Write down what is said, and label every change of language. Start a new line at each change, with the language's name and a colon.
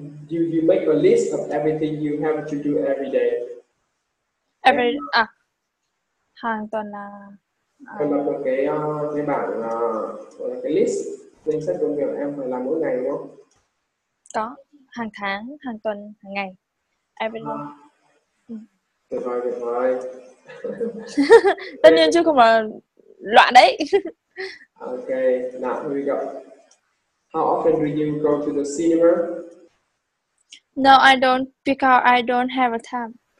English: Do you make a list of everything you have to do every day?
Vietnamese: Hàng tuần là... Em lập một cái bảng, gọi là cái list, danh sách công việc em phải làm mỗi ngày đúng không? Có. Hàng tháng, hàng tuần, hàng ngày.
English: Every day.
Vietnamese: Tuyệt vời, tuyệt vời. Tất nhiên chứ không mà loạn đấy.
English: Ok, now here we go. How often do you go to the cinema? No, I don't, because I don't have a time.